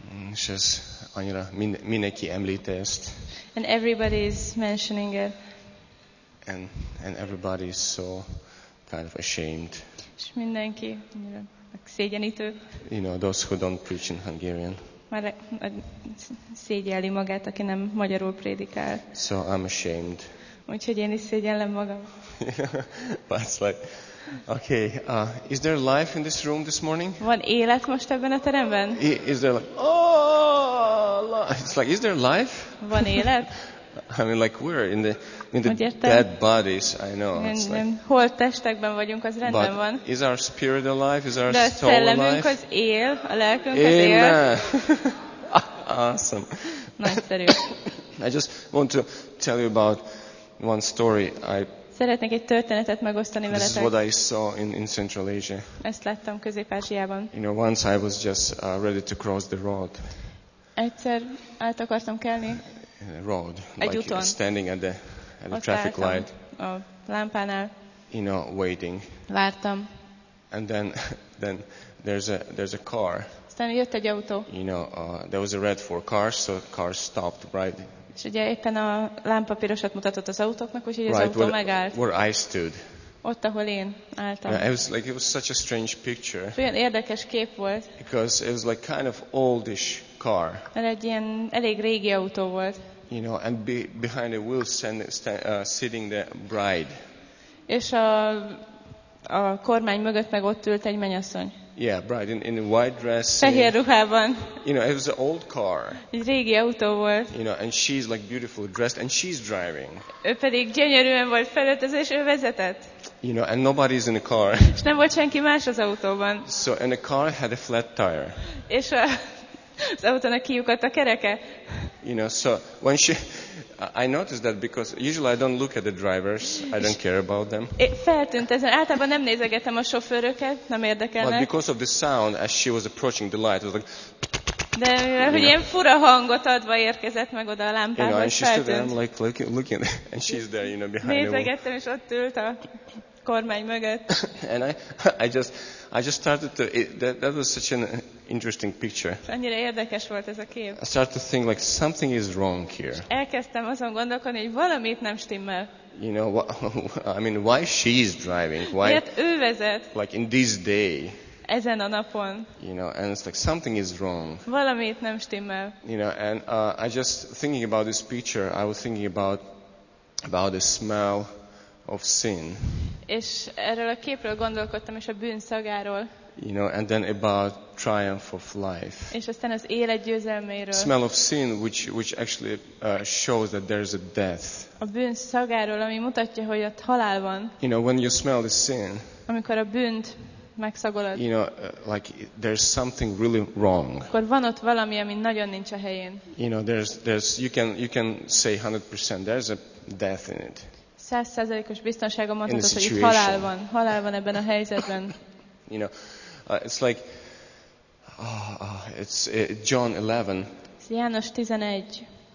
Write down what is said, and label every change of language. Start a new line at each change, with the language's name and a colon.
Hungarian: És ez annyira mindenki említi ezt.
English: And everybody is mentioning it. And everybody is so kind of ashamed.
Hungarian: És mindenki annyira szégyenítő.
English: You know, those who don't preach in Hungarian.
Hungarian: Már szégyelli magát, aki nem magyarul prédikál.
English: So I'm ashamed.
Hungarian: Úgyhogy én is szégyellem magam.
English: But it's like, okay, is there life in this room this morning?
Hungarian: Van élet most ebben a teremben?
English: Is there like, oh, it's like, is there life?
Hungarian: Van élet?
English: I mean, like we're in the dead bodies. I know.
Hungarian: Nem, like, hol testekben vagyunk, az rendben
English: but
Hungarian: van.
English: Is our spirit alive? Is our soul alive?
Hungarian: De a szellemünk az él, a lelkünk az él.
English: Amen. Awesome.
Hungarian: Nagyszerű.
English: I just want to tell you about one story.
Hungarian: Szeretnék egy történetet megosztani veletek.
English: This is what I saw in Central Asia.
Hungarian: Ezt láttam Közép-Ázsiában.
English: You know, once I was just ready to cross the road.
Hungarian: Egyszer át akartam kelni.
English: In a road,
Hungarian: egy
English: like
Hungarian: úton.
English: Standing at the
Hungarian: ott
English: traffic light,
Hungarian: a lámpánál,
English: you know, waiting.
Hungarian: Vártam.
English: And then there's a car.
Hungarian: Aztán jött egy autó.
English: You know, there was a red for cars, so cars stopped, right?
Hungarian: És ugye éppen a lámpa pirosat mutatott az autóknak, úgyhogy right, az autó megállt.
English: Where I stood.
Hungarian: Ott, ahol én álltam.
English: Yeah, it was such a strange picture.
Hungarian: Olyan érdekes kép volt.
English: Because it was like kind of oldish car.
Hungarian: Mert egy ilyen elég régi autó volt.
English: You know, and behind the wheel sitting the bride.
Hungarian: És a kormány mögött meg ott ült egy menyasszony.
English: Yeah, bride in a white dress.
Hungarian: Fehér ruhában.
English: You know, it was an old car.
Hungarian: Egy régi autó volt.
English: You know, and she's like beautifully dressed and she's driving.
Hungarian: Ő pedig gyönyörűen volt felöltözve és ő vezetett.
English: You know, and nobody's in the car.
Hungarian: És nem volt senki más az autóban.
English: So, and the car had a flat tire.
Hungarian: És az autónak kiukadt a kereke.
English: You know, so when she, I noticed that because usually I don't look at the drivers, I don't care about them.
Hungarian: Feltűnt ezen, általában nem nézegetem a sofőröket, nem érdekelnek.
English: But because of the sound, as she was approaching the light, it was like.
Hungarian: De hogy ilyen fura hangot adva érkezett meg oda a lámpához,
English: you know, and
Hungarian: feltűnt.
English: There, I'm like looking, and she's there, you know, behind me.
Hungarian: Nézegettem, és ott ült a kormány mögött.
English: And I just started to, that was such an interesting picture.
Hungarian: Annyira érdekes volt ez a kép.
English: I started to think like something is wrong here.
Hungarian: És elkezdtem azon gondolkodni, hogy valamit nem stimmel.
English: You know, I mean, why she is driving? Why?
Hungarian: Miért ő vezet?
English: Like in this day.
Hungarian: Ezen a napon.
English: You know, and it's like something is wrong.
Hungarian: Valamit nem stimmel.
English: You know, and I just thinking about this picture, I was thinking about the smell of sin.
Hungarian: És erről a képről gondolkodtam, és a bűn szagáról.
English: You know, and then about triumph of life.
Hungarian: És aztán az élet győzelméről.
English: Smell of sin, which actually shows that there is a death.
Hungarian: A bűn szagáról, ami mutatja, hogy ott halál van.
English: You know, when you smell the sin.
Hungarian: Amikor a bűnt megszagolod.
English: You know, like there's something really wrong.
Hungarian: Akkor van ott valami, ami nagyon nincs a helyén.
English: You know, there's you can say 100% there's a death in it.
Hungarian: 100%-os biztonsága mondhatod, hogy itt halál van ebben a helyzetben.
English: You know, it's like, it's John 11.
Hungarian: Ez János 11.